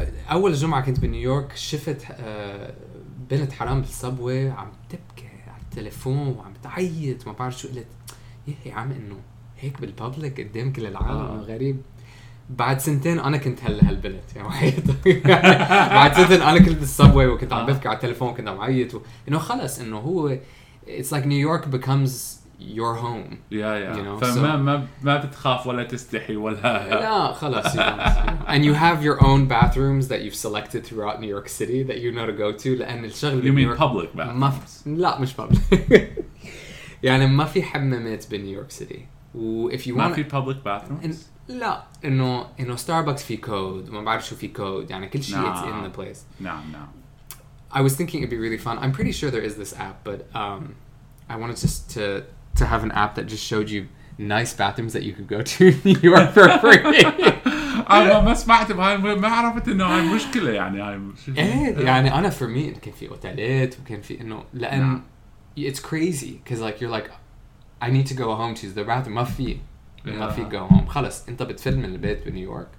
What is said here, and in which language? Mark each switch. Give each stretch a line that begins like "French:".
Arabic: اول جمعه كنت بنيويورك شفت بنت حرام بالصبوي عم تبكي على التليفون وعم تعيط ما بعرف شو قلت يا عم انه هيك بالببليك قدام كل العالم غريب بعد سنتين أنا كنت هالبنت يا وحيد بعد سنتين أنا كنت بالسبوي وكنت عم بفكر على التلفون كنت عم عيط إنه خلص إنه هو
English: it's like New York becomes your home yeah yeah you know?
Arabic: فما so, ما بتخاف ولا تستحي ولا لا خلص
English: and you have your own bathrooms that you've selected throughout New York City that you know to go to
Arabic: لأن الشغل
English: you mean public bathrooms
Arabic: لا مش public يعني ما في حمامات بنيويورك سيتي و
English: if you want
Arabic: ما في
English: public bathrooms
Arabic: لا إنه ستاربكس في كود ما بعرف شو في كود يعني كل شيء
English: it's in the place no I was thinking it'd be really fun I'm pretty sure there is this app but I wanted just to have an app that just showed you nice bathrooms that you could go to in New York for free
Arabic: أنا ما سمعت بهاي ما عرفت إنه هاي مشكلة يعني هاي يعني أنا
English: for me
Arabic: كان في أوتيلات وكان في إنه لأن
English: it's crazy because like you're like I need to go home to the bathroom
Arabic: ما في ما في
English: go home
Arabic: خلص انت بتفل من البيت بنيويورك